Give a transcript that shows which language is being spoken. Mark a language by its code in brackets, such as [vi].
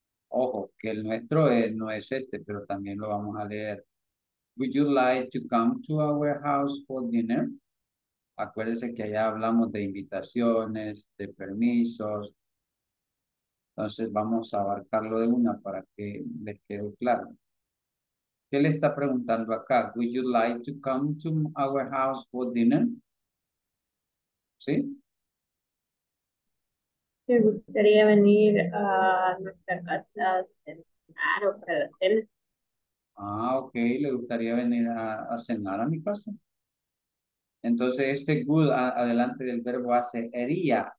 [es] Ojo, que el nuestro es, no es este, pero también lo vamos a leer. [en] Would you like to come to our house for dinner? [es] Acuérdense que allá hablamos de invitaciones, de permisos. Entonces vamos a abarcarlo de una para que les quede claro. ¿Qué le está preguntando acá? [en] Would you like to come to our house for dinner? [es] ¿Sí? ¿Te gustaría venir a nuestra casa a cenar o para la cena? Ah, ok. ¿Le gustaría venir a cenar a mi casa? Entonces, este good adelante del verbo hace sería.